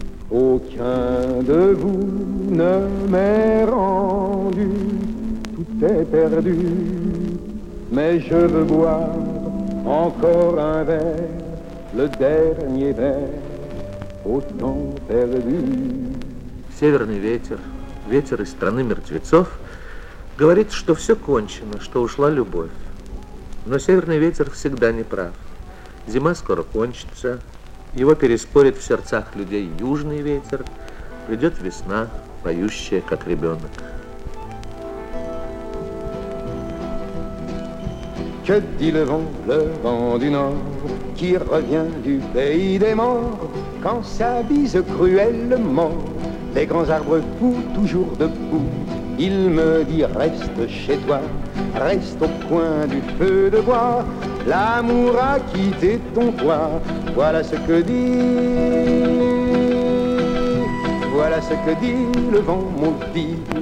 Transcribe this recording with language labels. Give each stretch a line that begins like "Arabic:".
French: Aucun de vous ne m'est rendu, tout est perdu. Mais je veux boire encore un verre, le dernier verre au temps perdu.
Russian: Северный ветер, ветер из страны мертвецов, говорит, что все кончено, что ушла любовь. Но северный ветер всегда неправ. Зима скоро кончится, Его переспорит в сердцах людей южный ветер. Придет весна, поющая, как ребенок.
French: Que dit le vent du nord qui revient du pays des morts quand ça bise cruellement les grands arbres poussent toujours debout il me dit reste chez toi reste au coin du feu de bois l'amour a quitté ton toit voilà ce que dit voilà ce que dit le vent maudit